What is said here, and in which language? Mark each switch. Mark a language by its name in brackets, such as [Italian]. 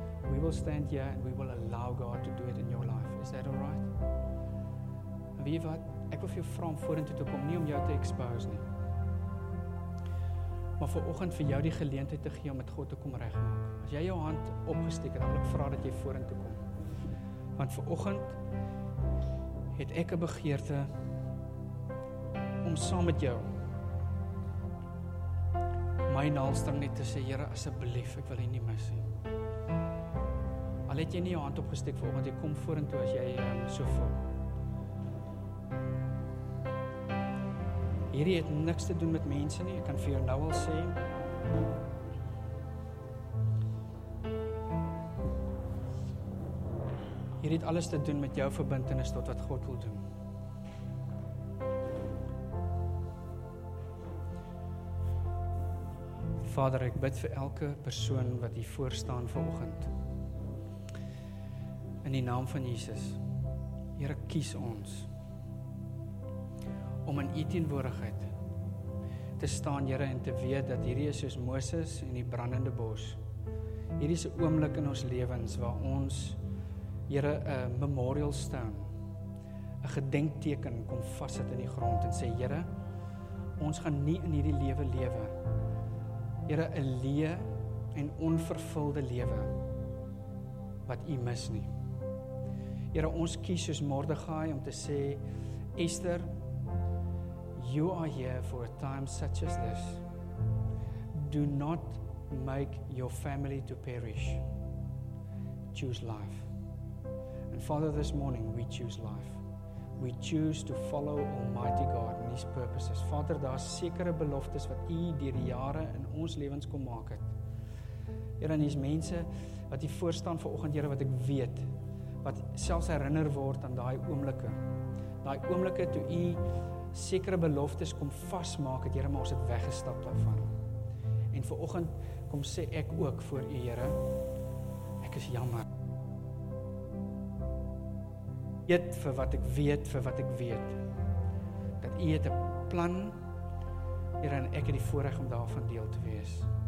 [English] We will stand here and we will allow God to do it in your life. Is that alright? [Afrikaans] En weet jy wat? Ek wil vir jou vra om vorentoe te kom, nie om jou te expose nie, maar vanoggend vir jou die geleentheid te gee om met God te kom regmaak. As jy jou hand opgesteek het, dan wil ek vra dat jy vorentoe kom. Want vanoggend het ek 'n begeerte om saam met jou my naalstring net te sê, Here, asseblief, ek wil U nie mis nie. Al het jy nie jou hand opgesteek vanoggend, jy kom vorentoe as jy so voel. Hierdie het niks te doen met mense nie. Ek kan vir jou nou al sê. Hierdie het alles te doen met jou verbintenis tot wat God wil doen. Vader, ek bid vir elke persoon wat hier voor staan vanoggend. In die naam van Jesus. Here, kies ons om in U teenwoordigheid te staan, Here, en te weet dat hierdie is soos Moses en die brandende bos. Hierdie is 'n oomblik in ons lewens waar ons Here, 'n memorial stone, 'n gedenkteken kom vassit in die grond en sê, Here, ons gaan nie in hierdie lewe lewe. Here, 'n leë en onvervulde lewe wat U mis nie. Here, ons kies soos Mordegai om te sê, [English] Esther, you are here for a time such as this. Do not make your family to perish. Choose life. And Father, this morning we choose life. We choose to follow Almighty God and His purposes. [Afrikaans] Father, daar's sekere beloftes wat U deur die jare in ons lewens kom maak het. Here, en hier's mense wat hier voor staan vanoggend, Here, wat ek weet wat selfs herinner word aan daai oomblikke. Daai oomblikke toe U sekere beloftes kom vasmaak het, Here, maar ons het weggestap daarvan. En vanoggend kom sê ek ook voor U, Here, ek is jammer. Eet vir wat ek weet, vir wat ek weet. Dat U het 'n plan, Here, en ek het die voorreg om daarvan deel te wees.